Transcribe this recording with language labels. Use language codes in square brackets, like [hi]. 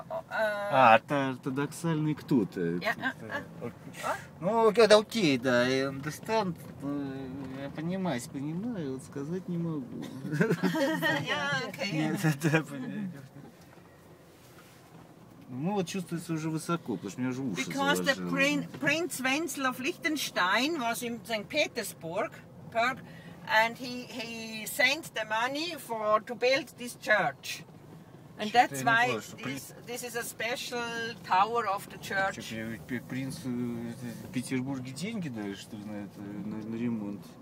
[ru] А, ортодоксальный кто-то. Ну, это окей, да, [en] I understand. [ru] Я понимаю, вот сказать не могу. [en] Yeah, okay. [ru] Ну, вот чувствуется уже высоко, потому что у меня уже уши заложило. [en] Because the Prince Wenzel of Liechtenstein was in St. Petersburg, and he sent the money to build this church. And that's why this is a special tower of the church. [ru] Принц в Петербурге деньги дали, что ли, на это, на ремонт?